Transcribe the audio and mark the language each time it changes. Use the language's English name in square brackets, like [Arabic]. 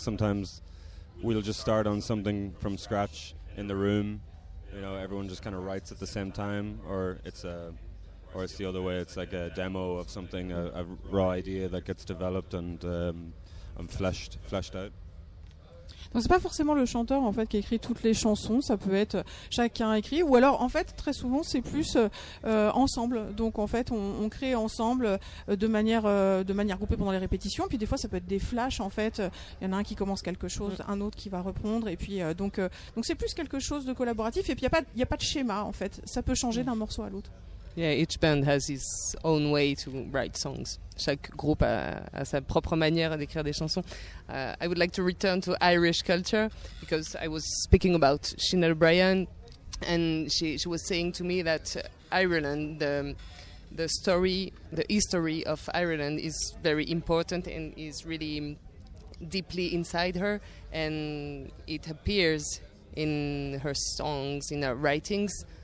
[English] Sometimes we'll just start on something from scratch in the room. You know, everyone just kind of writes at the same time. Or it's the other way. It's like a demo of something, a raw idea that gets developed and fleshed out. [French] Donc c'est pas forcément le chanteur en fait qui écrit toutes les chansons, ça peut être chacun écrit, ou alors en fait très souvent c'est plus ensemble. Donc en fait on crée ensemble de manière groupée pendant les répétitions. Puis des fois ça peut être des flashs en fait. Il y en a un qui commence quelque chose, un autre qui va reprendre, et puis donc c'est plus quelque chose de collaboratif. Et puis il y a pas de schéma en fait. Ça peut changer d'un morceau à l'autre. [English] Yeah, each band has its own way to write songs. [French] Chaque groupe a sa propre manière d'écrire des chansons. [English] I would like to return to Irish culture because I was speaking about Sinéad O'Brien, and she was saying to me that Ireland, the history of Ireland is very important and is really deeply inside her, and it appears in her songs, in her writings.